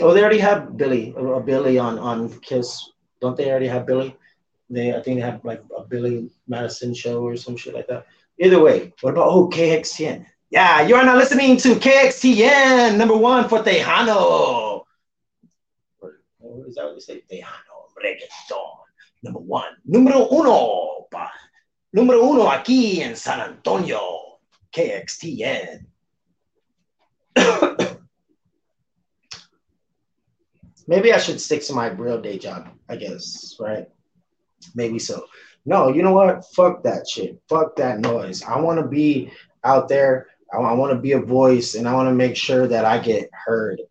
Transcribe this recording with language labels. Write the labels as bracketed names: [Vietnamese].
[English] Oh, they already have Billy on Kiss. Don't they already have Billy? I think they have like a Billy Madison show or some shit like that. Either way, what about, oh, KXTN? Yeah, you are now listening to KXTN, number one for Tejano. What is that what they say? Tejano, reggaeton, number one. [Spanish] Numero uno aquí en San Antonio, KXTN. [English] Maybe I should stick to my real day job, I guess, right? Maybe so. No, you know what? Fuck that shit. Fuck that noise. I want to be out there. I want to be a voice, and I want to make sure that I get heard.